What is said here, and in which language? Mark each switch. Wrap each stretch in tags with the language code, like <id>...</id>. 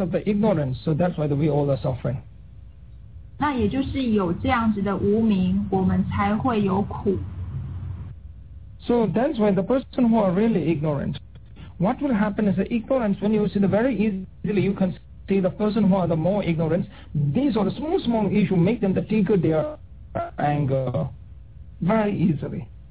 <en>of the ignorance, so that's why we all are suffering.</en> <zh>那也就是有这样子的无明，我们才会有苦。So</zh> <en>that's why the person who are really ignorant, what will happen is the ignorance when you see the very easily you can. See the person who are the more ignorant, these are the small issue make them the trigger their anger very easily.</en>